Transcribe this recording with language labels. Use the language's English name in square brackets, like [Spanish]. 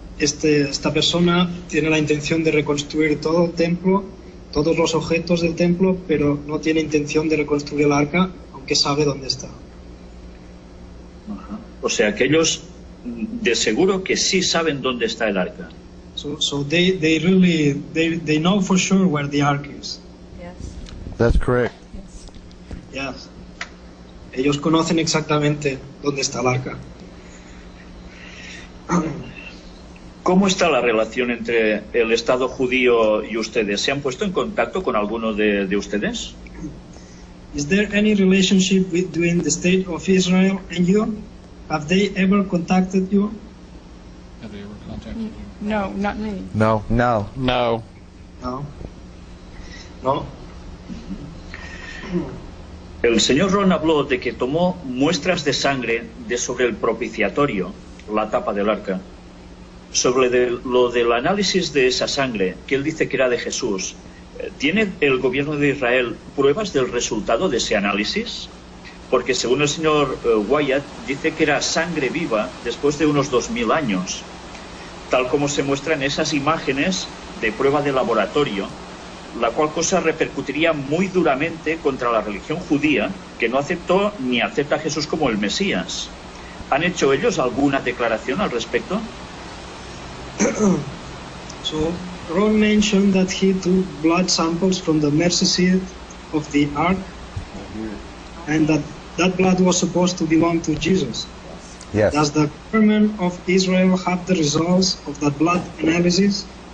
[Spanish] Esta persona tiene la intención de reconstruir todo el templo, todos los objetos del templo, pero no tiene intención de reconstruir el arca, aunque sabe dónde está. O sea, que ellos de seguro que sí saben dónde está el arca. [English] So they know for sure where the ark is. Yes. That's correct. Yes. [Spanish] Ellos conocen exactamente dónde está el arca. ¿Cómo está la relación entre el Estado judío y ustedes? ¿Se han puesto en contacto con alguno de ustedes? [English] Is there any relationship between the State of Israel and you? Have they ever contacted you? Have they ever contacted you? No, not me. No, no, no. No. No. [Spanish] El señor Ron habló de que tomó muestras de sangre de sobre el propiciatorio, la tapa del arca. Sobre lo del análisis de esa sangre, que él dice que era de Jesús, ¿tiene el gobierno de Israel pruebas del resultado de ese análisis? Porque según el señor Wyatt, dice que era sangre viva después de unos 2000 años, tal como se muestra en esas imágenes de prueba de laboratorio, la cual cosa repercutiría muy duramente contra la religión judía, que no aceptó ni acepta a Jesús como el Mesías. ¿Han hecho ellos alguna declaración al respecto? [English] So, Ron mentioned that he took blood samples from the mercy seat of the ark, and that blood was supposed to belong to Jesus. Yes. Does the government of Israel have the results of that blood analysis?